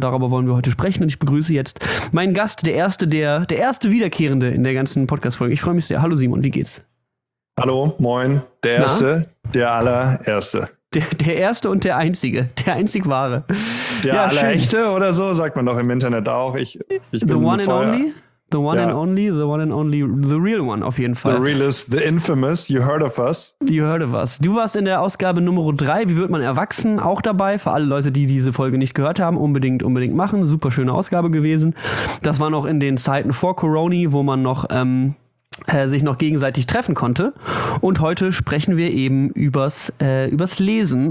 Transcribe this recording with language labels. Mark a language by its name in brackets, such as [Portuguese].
[German] Darüber wollen wir heute sprechen und ich begrüße jetzt meinen Gast, der erste Wiederkehrende in der ganzen Podcast-Folge. Ich freue mich sehr. Hallo Simon, wie geht's? Hallo, moin, der Erste, Na? Der Allererste. Der Erste und der Einzige, der einzig Wahre. Der ja, Allerechte schön. Oder so, sagt man doch im Internet auch. Ich bin [English] the one and only? The one and only, the real one [German] auf jeden Fall. [English] The real is the infamous, you heard of us. You heard of us. [German] Du warst in der Ausgabe Nummer 3, wie wird man erwachsen, auch dabei. Für alle Leute, die diese Folge nicht gehört haben, unbedingt machen. Super schöne Ausgabe gewesen. Das war noch in den Zeiten vor Corona, wo man noch sich noch gegenseitig treffen konnte. Und heute sprechen wir eben übers Lesen.